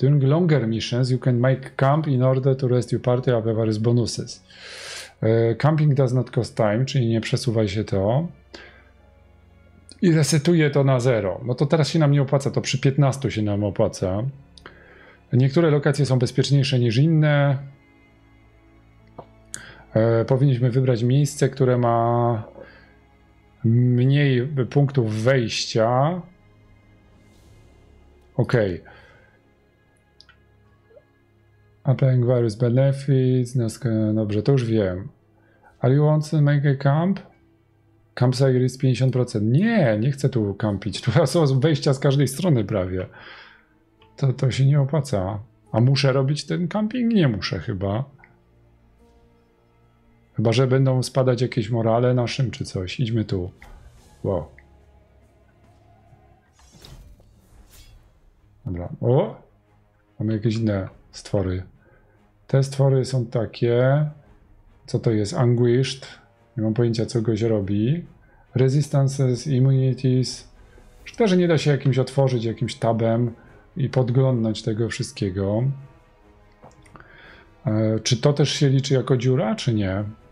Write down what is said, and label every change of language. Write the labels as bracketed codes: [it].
[en] During longer missions, you can make camp in order to rest your party or various bonuses. Camping does not cost time, [pl] czyli nie przesuwaj się to. I resetuje to na zero. No to teraz się nam nie opłaca, to przy 15 się nam opłaca. Niektóre lokacje są bezpieczniejsze niż inne. Powinniśmy wybrać miejsce, które ma mniej punktów wejścia. Ok. [en] Applying various benefits. [pl] Dobrze, to już wiem. [en] Are you want to make a camp? [pl] Campsite jest 50%. Nie, nie chcę tu kampić. Tu są wejścia z każdej strony prawie. To się nie opłaca. A muszę robić ten camping? Nie muszę chyba. Chyba, że będą spadać jakieś morale naszym czy coś. Idźmy tu. Wow. Dobra. O! Mamy jakieś inne stwory. Te stwory są takie. Co to jest? Anguished. Nie mam pojęcia, co goś robi. [en] Resistances, immunities. [pl] Szkoda, że nie da się jakimś otworzyć, jakimś tabem i podglądnąć tego wszystkiego. Czy to też się liczy jako dziura, czy nie?